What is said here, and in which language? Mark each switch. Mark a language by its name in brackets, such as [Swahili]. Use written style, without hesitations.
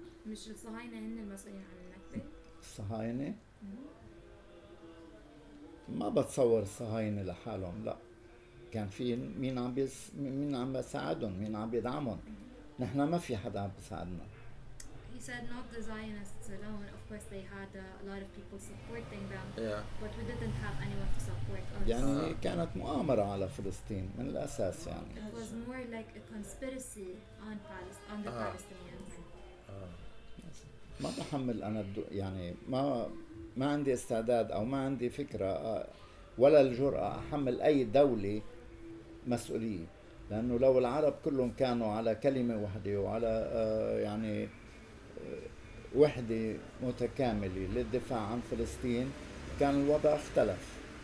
[Arabic] مش الصهاينة هن المسؤولين عن النكبة؟ الصهاينة؟ ما بتصور الصهاينة لحالهم لا. كان في مين عم بيس مين عم بساعدهم مين عم بيدعمهم؟ نحنا ما في حدا عم بساعدنا. [English] He said not the Zionists alone. Of course they had a lot of people supporting them. Yeah. But we didn't have anyone to support us. [Arabic] يعني كانت مؤامرة على فلسطين من الأساس يعني. [English] It was more like a conspiracy on the Palestinians. [Arabic] ما بحمل أنا يعني ما عندي استعداد أو ما عندي فكرة ولا الجرأة أحمل أي دولة مسؤولية، لأنه لو العرب كلهم كانوا على كلمة واحدة وعلى يعني وحدة متكاملة للدفاع عن فلسطين كان الوضع اختلف.